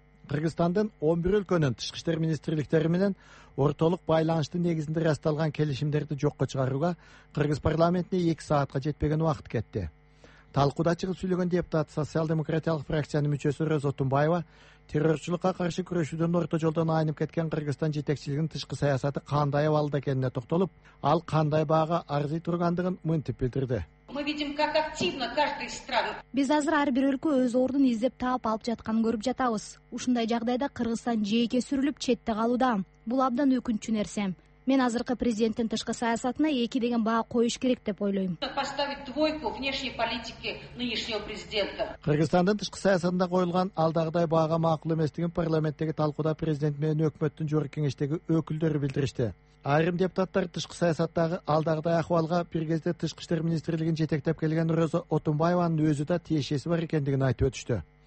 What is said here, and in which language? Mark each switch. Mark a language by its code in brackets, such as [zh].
[ky] Кыргызстандын 11 өлкөнүн тышкы иштер министрликтери менен ортолук байланыштын негизинде расталган келишимдерди жокко чыгарууга кыргыз парламентине 2 жетпеген убакыт кетти. Талкууда чыгып сүйлөгөн депутат социал-демократиялык фракциянын мүчөсү Роза Отунбаева террорчулукка каршы күрөшүүдөн орто жолдон айнып кеткен Кыргызстан жетекчилигинин тышкы саясаты кандай абалда экенине токтолуп, ал кандай баага арзый тургандыгын мынтип билдирди. [ru] Мы видим, как активно каждая из стран. [ky] Биз азыр ар бир өлкө өз ордун издеп таап алып жатканын көрүп жатабыз. Ушундай жагдайда Кыргызстан жээкке сүрүлүп четте калууда. Бул абдан өкүнчтүү нерсе. Мен азыркы президенттин тышкы саясатына 2 деген баа коюш керек деп ойлойм. [ru] Поставить двойку внешней политике нынешнего президента. [ky] Кыргызстандын тышкы саясатына коюлган алдагыдай баага макул эместигин парламенттеги талкууда президент менен өкмөттүн жогорку кеңештеги өкүлдөрү билдиришти. Айрым депутаттар тышкы саясаттагы алдагыдай акыбалга бир кезде тышкы иштер министрлигин жетектеп келген Роза Отунбаеванын өзү да тиешеси бар экендигин айтып өтүштү.